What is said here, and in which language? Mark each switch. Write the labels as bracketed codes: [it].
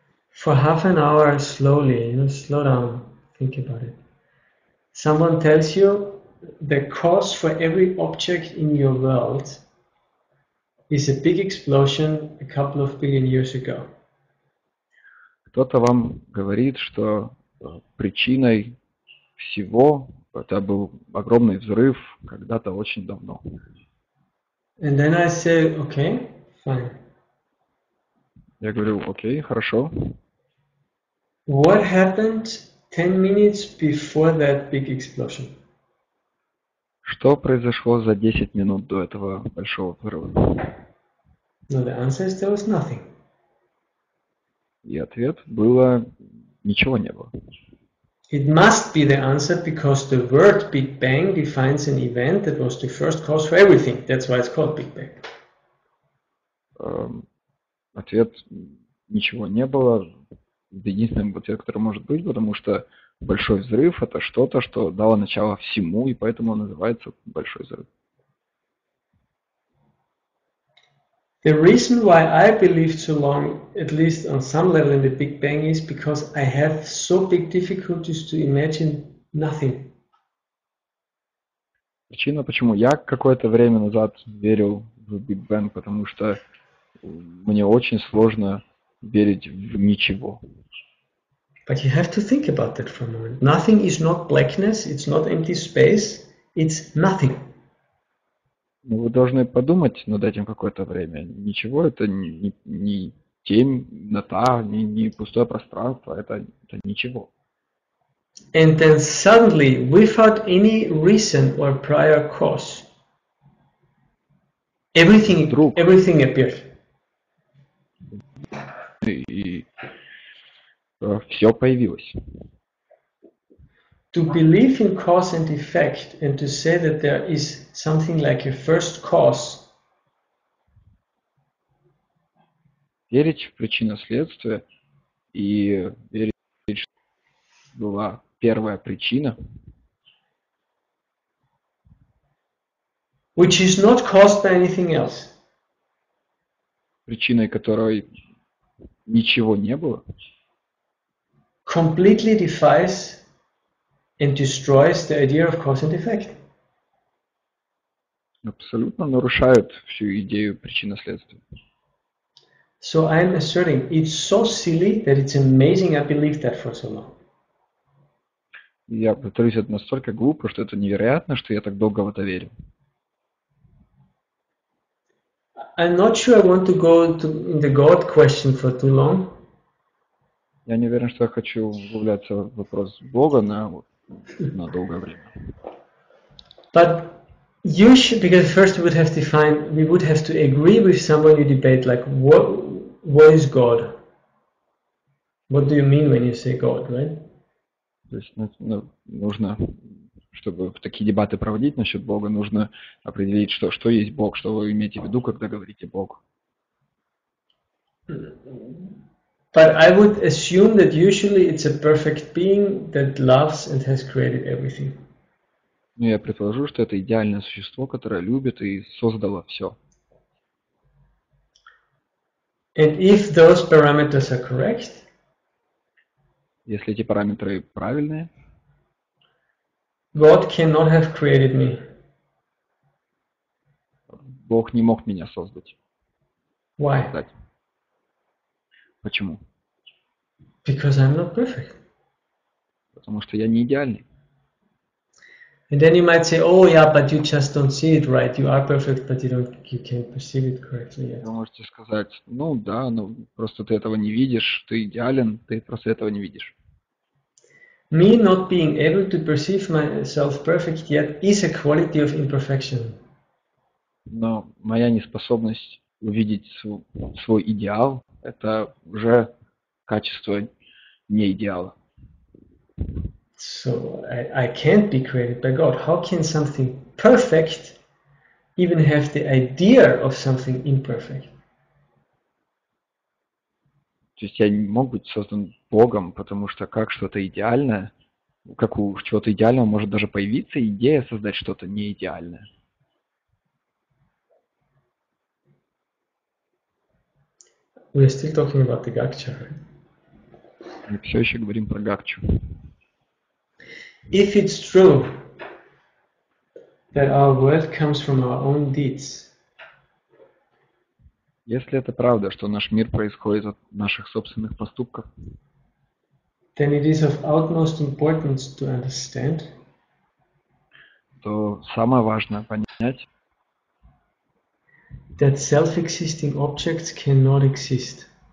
[en] for half an hour slowly, you know, slow down, think about it. Someone tells you the cause for every object in your world is a big explosion a couple of billion years ago. [ru] Кто-то вам говорит, что причиной всего это был огромный взрыв когда-то очень давно. [en] And then I say, okay, fine. [ru] Я говорю, окей, хорошо. [en] What happened 10 minutes before that big explosion? [ru] Что произошло за 10 минут до этого большого взрыва? [en] No, the answer is there was nothing. [ru] И ответ было, ничего не было. [en] It must be the answer because the word Big Bang defines an event that was the first cause for everything. That's why it's called Big Bang. [ru] Ответ, ничего не было. Единственный ответ, который может быть, потому что большой взрыв это что-то, что дало начало всему, и поэтому называется большой взрыв. [en] The reason why I believed so long, at least on some level in the Big Bang, is because I have so big difficulties to imagine nothing. [ru] Причина, почему я какое-то время назад верил в Big Bang, потому что мне очень сложно верить в ничего. [en] But you have to think about that for a moment. Nothing is not blackness, it's not empty space, it's nothing. [ru] Но вы должны подумать над этим какое-то время. Ничего, это не темнота, не пустое пространство, это ничего. [en] And then suddenly, without any reason or prior cause, everything appears. [ru] И все появилось. [en] To believe in cause and effect and to say that there is something like a first cause. [ru] верить в причинно-следствие и верить, что была первая причина. [en] Which is not caused by anything else. [ru] Причиной которой ничего не было. [en] Completely defies and destroys the idea of cause and effect. [ru] Абсолютно нарушают всю идею причинно-следствия. [en] So I'm asserting it's so silly that it's amazing I believed that for so long. [ru] Я повторюсь, это настолько глупо, что это невероятно, что я так долго в это верю. [en] I'm not sure I want to go to in the God question for too long. [ru] Я не уверен, что я хочу углубляться в вопрос Бога на долгое время. [en] But you should, because first we would have to find, we would have to agree with someone you debate, like what is God? What do you mean when you say God, right? [ru] То есть, нужно, чтобы такие дебаты проводить насчет Бога, нужно определить, что есть Бог, что вы имеете в виду, когда говорите Бог. [en] But I would assume that usually it's a perfect being that loves and has created everything. [ru] Но я предположу, что это идеальное существо, которое любит и создало все. [en] And if those parameters are correct, [ru] если эти параметры правильные, [en] God cannot have created me. [ru] Бог не мог меня создать. [en] Why? [ru] Почему? [en] Because I'm not perfect. [ru] Потому что я не идеальный. [en] And then you might say, oh yeah, but you just don't see it right. You are perfect, but you can't perceive it correctly yet. [ru] Вы можете сказать, ну да, но просто ты этого не видишь, ты идеален, ты просто этого не видишь. [en] Me not being able to perceive myself perfect yet is a quality of imperfection. [ru] Но моя неспособность увидеть свой идеал, это уже качество не идеала. [en] So I can't be created by God. How can something perfect even have the idea of something imperfect? [ru] То есть я не мог быть создан Богом, потому что как что-то идеальное, как у чего-то идеального может даже появиться идея создать что-то не идеальное. [en] We are still talking about the Gakcha, right? [ru] Мы все еще говорим про Гакчу. [en] If it's true that our worth comes from our own deeds. [ru] Если это правда, что наш мир происходит от наших собственных поступков, [en] then it is of utmost importance to understand. [ru] То самое важное понять, [en] that self-existing objects cannot exist.